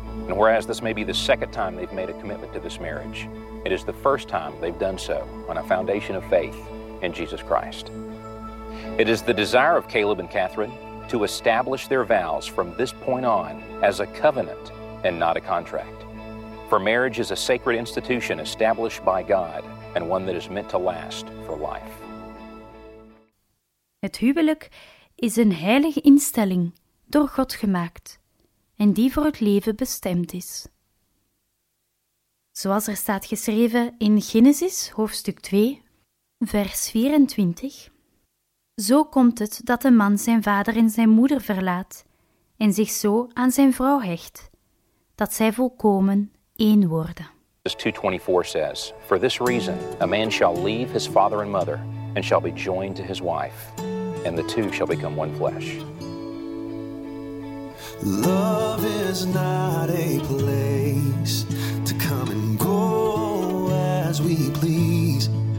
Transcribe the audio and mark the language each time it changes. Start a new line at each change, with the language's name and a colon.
English: And whereas this may be the second time they've made a commitment to this marriage, it is the first time they've done so on a foundation of faith in Jesus Christ. It is the desire of Caleb and Catherine to establish their vows from this point on as a covenant and not a contract. For marriage is a sacred institution established by God and one that is meant to last for life.
Dutch: Het huwelijk is een heilige instelling door God gemaakt en die voor het leven bestemd is. Zoals er staat geschreven in Genesis hoofdstuk 2, vers 24. Zo komt het dat een man zijn vader en zijn moeder verlaat en zich zo aan zijn vrouw hecht, dat zij volkomen één worden.
English: Genesis 2:24 says, For this reason, a man shall leave his father and mother and shall be joined to his wife. And the two shall become one flesh. Love is not a place to come and go as we please.